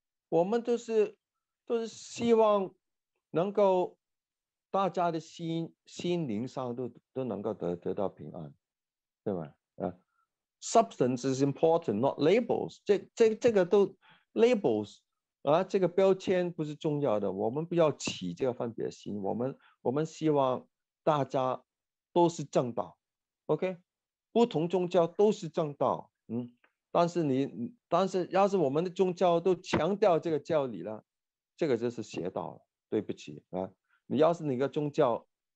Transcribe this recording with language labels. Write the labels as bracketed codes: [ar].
[zh] 我们都是希望能够大家的心灵上都能够得到平安，对吗？ [en] Substance is important, not labels. [zh] 这个都 labels 这个标签不是重要的，我们不要起这个分别心，我们希望大家都是正道 ，OK， 不同宗教都是正道，但是要是我们的宗教都强调这个教理了，这个就是邪道了，对不起你要是你的宗教